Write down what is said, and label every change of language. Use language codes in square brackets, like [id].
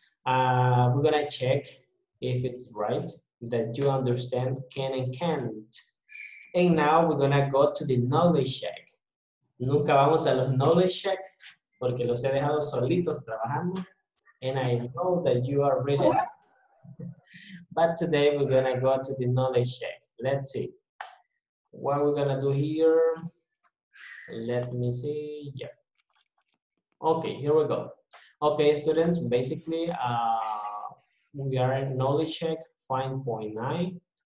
[en] We're gonna check if it's right that you understand can and can't. And now we're gonna go to the knowledge check. [es] Nunca vamos a los knowledge check porque los he dejado solitos trabajando. [en] And I know that you are really smart. But today we're gonna go to the knowledge check. Let's see. What are we gonna do here? Let me see. Yeah. Okay, here we go. Okay, students, basically we are in knowledge check 5.9.